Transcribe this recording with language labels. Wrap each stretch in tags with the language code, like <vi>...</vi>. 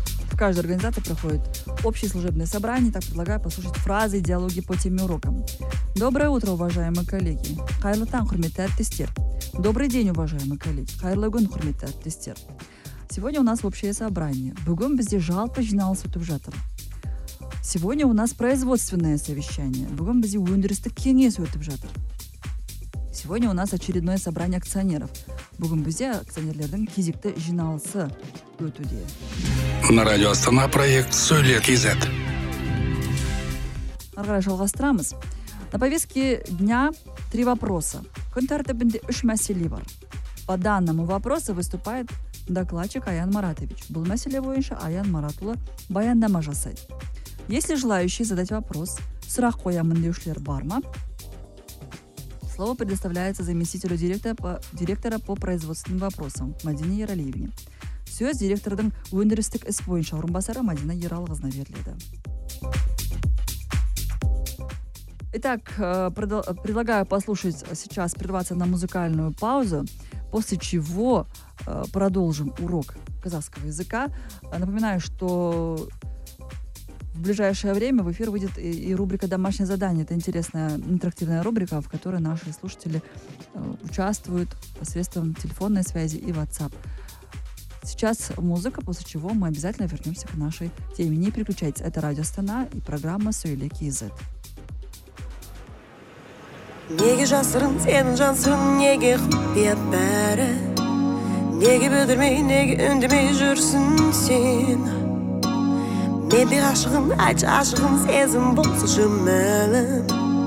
<ru>В каждой организации проходит общее служебное собрание. Так предлагаю послушать фразы и диалоги по теме урока. Доброе утро, уважаемые коллеги.</ru> <kk>Хайрлы таң, хурметті әріптестер.</kk> <ru>Добрый день, уважаемые коллеги.</ru> <kk>Хайрлы күн, хурметті әріптестер.</kk> <ru>Сегодня у нас общее собрание.</ru> <kk>Бүгін бізде жалпы жиналыс өтіп жатыр.</kk> <ru>Сегодня у нас производственное совещание.</ru> <kk>Бүгін бізде өндірістік кеңес өтіп жатыр.</kk> <ru>Сегодня у нас очередное собрание акционеров.</ru> <kk>Бүгін бізде акционерлердің кезекті жиналысы өтуде.</kk> <ru>На радио Астана проект Сулья.кз.</ru> <kk>Арғарай жалғастырамыз.</kk> <ru>На повестке дня три вопроса.</ru> <kk>Күн тәртібінде үш мәселе бар.</kk> <ru>По данному вопросу выступает докладчик Аян Маратович.</ru> <kk>Бұл мәселе бойынша Аян Маратұлы баяндама жасайды.</kk> <ru>Если желающие задать вопрос,</ru> <kk>сұрақ қоямын деушілер бар ма?</kk> <ru>Слово предоставляется заместителю директора по производственным вопросам Мадине Ералиевне.</ru> <kk>Сөз директордың өндірістік іс бойынша орынбасары Мадина Ералығызына беріледі.</kk> <ru>Итак, предлагаю послушать сейчас, прерваться на музыкальную паузу, после чего продолжим урок казахского языка. Напоминаю, что в ближайшее время в эфир выйдет и рубрика «Домашнее задание». Это интересная интерактивная рубрика, в которой наши слушатели участвуют посредством телефонной связи и WhatsApp. Сейчас музыка, после чего мы обязательно вернемся к нашей теме. Не переключайтесь, это радио «Астана» и программа «Сулья.кз».</ru> <kk>Неге жасырын сенің жансың, неге құпия бәрі? Неге бүдірмей, неге үндімей жүрсің сен? Мен де ғашығым, айтшы ашығым, сезім болсы жымылым.</kk>